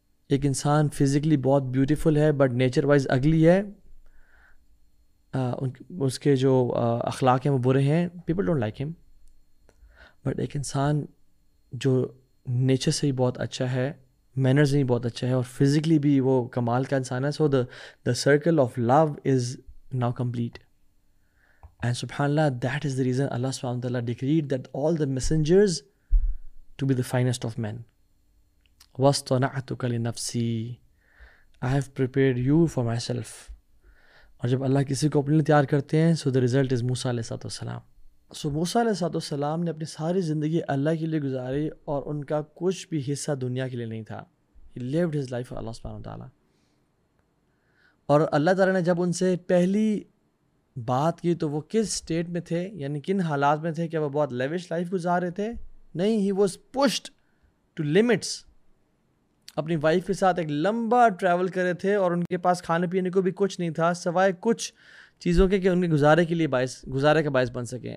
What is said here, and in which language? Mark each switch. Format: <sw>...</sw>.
<ur>ایک انسان فزیکلی بہت بیوٹیفل ہے</ur> <en>but nature wise ugly</en> <ur>ہے, اس کے جو اخلاق ہیں وہ برے ہیں,</ur> <en>People don't like ہم.</en> <ur>بٹ ایک انسان جو نیچر سے ہی بہت اچھا ہے, مینرز بھی بہت اچھا ہے, اور فزیکلی بھی وہ کمال کا انسان ہے,</ur> <en>So the circle of love is now complete. And subhanAllah, that is the reason Allah subhanahu wa ta'ala decreed that all the messengers to be the finest of men.</en> <ar>وَاصْطَنَعْتُكَ لِنَفْسِي,</ar> <en>I have prepared you for myself.</en> <ur>اور جب اللہ کسی کو اپنے لیے تیار کرتے ہیں,</ur> <en>so the result is</en> <ur>موسیٰ علیہ الصلوۃ والسلام. سو موسیٰ علیہ الصلوۃ والسلام نے اپنی ساری زندگی اللہ کے لیے گزاری, اور ان کا کچھ بھی حصہ دنیا کے لیے نہیں تھا.</ur> <en>He lived his life for Allah subhanahu wa ta'ala.</en> <ur>اور اللہ تعالیٰ نے جب ان سے پہلی بات کی تو وہ کس اسٹیٹ میں تھے, یعنی کن حالات میں تھے, کیا وہ بہت لیوش لائف گزار رہے تھے؟ نہیں,</ur> <en>He was pushed to limits.</en> <ur>اپنی وائف کے ساتھ ایک لمبا ٹریول کرے تھے اور ان کے پاس کھانے پینے کو بھی کچھ نہیں تھا سوائے کچھ چیزوں کے کہ ان کے گزارے کے لیے باعث گزارے کا باعث بن سکیں.</ur>